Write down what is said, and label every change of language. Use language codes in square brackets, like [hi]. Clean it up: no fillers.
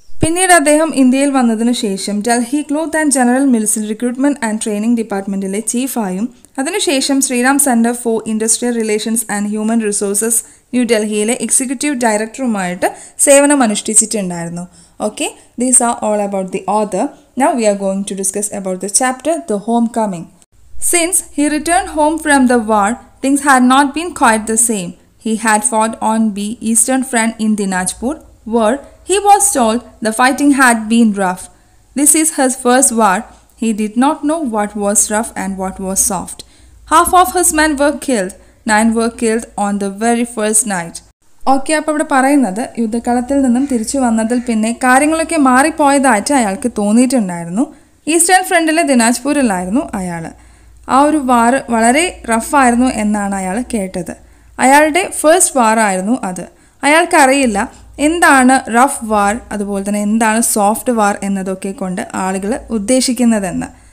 [ml] പിന്നീട് അദ്ദേഹം ഇന്ത്യയിൽ വന്നതിന് ശേഷം Delhi cloth and general മിൽസിൽ recruitment and training ഡിപ്പാർട്ട്മെൻറ്റിലെ ചീഫായും അതിനുശേഷം Sriram centre for industrial relations and human resources ന്യൂഡൽഹിയിലെ എക്സിക്യൂട്ടീവ് ഡയറക്ടറുമായിട്ട് സേവനം അനുഷ്ഠിച്ചിട്ടുണ്ടായിരുന്നു. [en] Okay, these are all about the other. Now we are going to discuss about the chapter the home coming. Since he return home from the war, things had not been quite the same. He had fought on the Eastern Front in Dinajpur, where he was told the fighting had been rough. This is his first war. He did not know what was rough and what was soft. Half of his men were killed. 9 were killed on the very first night. [ml] Okay, അപ്പോൾ ഇവിടെ പറയുന്നത് യുദ്ധക്കളത്തിൽ നിന്നും തിരിച്ചു വന്നതിൽ പിന്നെ കാര്യങ്ങളൊക്കെ മാറിപ്പോയതായിട്ട് അയാൾക്ക് തോന്നിയിട്ടുണ്ടായിരുന്നു. Eastern ഫ്രണ്ടിലെ ദിനാജ്പൂരിലായിരുന്നു അയാൾ. ആ ഒരു വാർ വളരെ റഫായിരുന്നു എന്നാണ് അയാൾ കേട്ടത്. അയാളുടെ ഫസ്റ്റ് വാർ ആയിരുന്നു അത്. അയാൾക്കറിയില്ല എന്താണ് റഫ് വാർ, അതുപോലെ തന്നെ എന്താണ് സോഫ്റ്റ് വാർ എന്നതൊക്കെ കൊണ്ട് ആളുകൾ ഉദ്ദേശിക്കുന്നതെന്ന്.